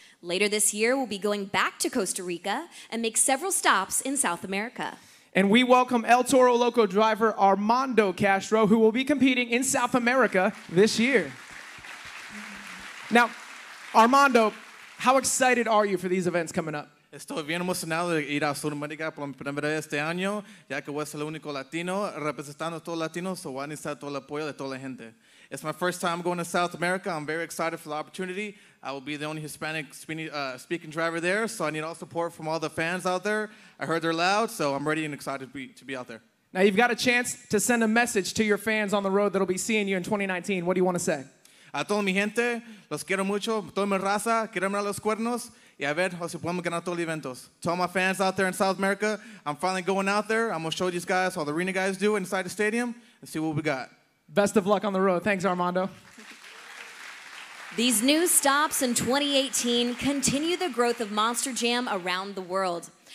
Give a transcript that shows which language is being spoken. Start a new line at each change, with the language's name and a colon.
English: Later this year, we'll be going back to Costa Rica and make several stops in South America. And we welcome El Toro Loco driver Armando Castro, who will be competing in South America this year. Now, Armando, how excited are you for these events coming up?
Spanish: Estoy bien emocionado de ir a Sudamérica por primera vez este año, ya que voy a ser el único latino representando a todos los latinos, so voy a necesitar todo el apoyo de toda la gente.
English: It's my first time going to South America. I'm very excited for the opportunity. I will be the only Hispanic speaking driver there, so I need all support from all the fans out there. I heard they're loud, so I'm ready and excited to be out there. Now you've got a chance to send a message to your fans on the road that will be seeing you in 2019. What do you want to say?
Spanish: A toda mi gente, los quiero mucho, toda mi raza, quiero mirar los cuernos. Y a ver, si podemos ganar todos los eventos.
English: To all my fans out there in South America, I'm finally going out there. I'm going to show these guys, all the arena guys do inside the stadium, and see what we got. Best of luck on the road. Thanks, Armando. These new stops in 2018 continue the growth of Monster Jam around the world.